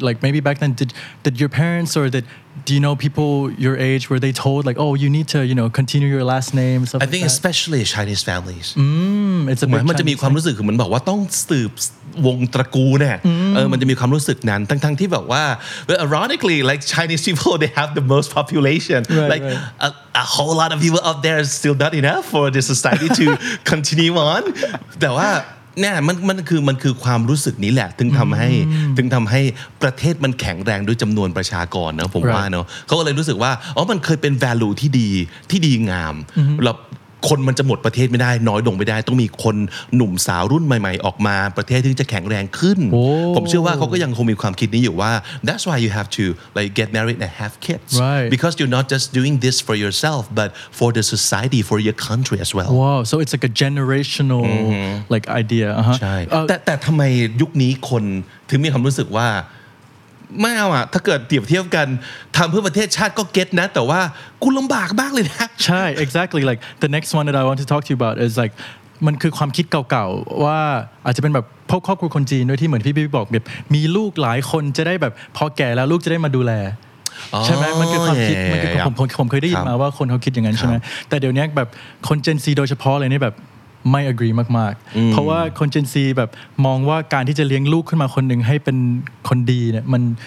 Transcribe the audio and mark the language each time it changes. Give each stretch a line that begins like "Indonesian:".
English: Like maybe back then, did your parents or that do you know people your age were they told like oh you need to you know continue your last name? Stuff I think like that? Especially Chinese families. It's a big
Thai: มันจะมีความรู้สึกเหมือนบอกว่าต้องสืบวงตระกูลเนี่ ยมันจะมีความรู้สึกนั้นทั้งๆที่แบบว่า
English: but ironically like Chinese people they have the most population right, like right. A whole lot of people up there is still not enough for this society to continue on
Thai: แต่ว่า เนี่ยมันคือความรู้สึกนี้แหละถึงทำให้ประเทศมันแข็งแรงด้วยจำนวนประชากรนะผมว่าเนาะเขาก็เลยรู้สึกว่าอ๋อมันเคยเป็น value ที่ดีงามแล้วคนมันจะหมดประเทศไม่ได้น้อยลงไม่ได้ต้องมีคนหนุ่มสาวรุ่นใหม่ๆออกมาประเทศถึงจะแข็งแรงขึ้น
English: oh.
Thai: ผมเชื่อว่าเขาก็ยังคงมีความคิดนี้อยู่ว่า
English: that's why you have to like get married and have kids right. because you're not just doing this for yourself but for the society for your country as well wow so it's like a generational like idea uh-huh.
Thai: ใช่แต่ทำไมยุคนี้คนถึงมีความรู้สึกว่าไม่เอาอ่ะถ้าเกิดเปรียบเทียบกันทำเพื่อประเทศชาติก็เก็ตนะแต่ว่ากูลำบากมากเลยนะ ใช่
English: exactly like the next one that I want to talk to you about is like
Thai: มันคือความคิดเก่าๆว่าอาจจะเป็นแบบพ่อครอบครัวคนจีนด้วยที่เหมือนพี่บอกแบบมีลูกหลายคนจะได้แบบพอแก่แล้วลูกจะได้มาดูแลใช่ไหมมันคือความคิดมันคือผมเคยได้ยินมาว่าคนเขาคิดอย่างนั้นใช่ไหมแต่เดี๋ยวนี้แบบคนเจนซีโดยเฉพาะเลยนี่แบบไม่ agree มากๆเพราะว่าคนเจนซีแบบมองว่าการที่จะเลี้ยงลูกขึ้นมาคนหนึ่งให้เป็นคนดีเนี่ยมัน